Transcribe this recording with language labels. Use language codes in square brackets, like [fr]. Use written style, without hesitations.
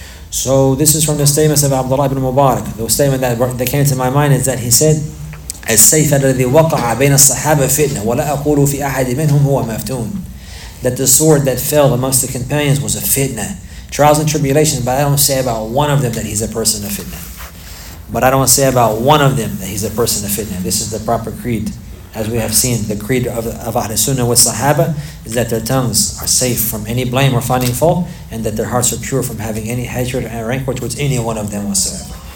[en] So this is from the statements of Abdullah ibn Mubarak. The statement that came to my mind is that he said, [ar] السيف الذي وقع بين الصحابة فتنة ولا أقول في أحد منهم هو مفتون. [en] That the sword that fell amongst the companions was a fitna, trials and tribulations, but I don't say about one of them that he's a person of fitna. But I don't say about one of them that he's a person of fitna. This is the proper creed. As we have seen, the creed of Ahl Sunnah with Sahaba is that their tongues are safe from any blame or finding fault, and that their hearts are pure from having any hatred or rancor towards any one of them whatsoever.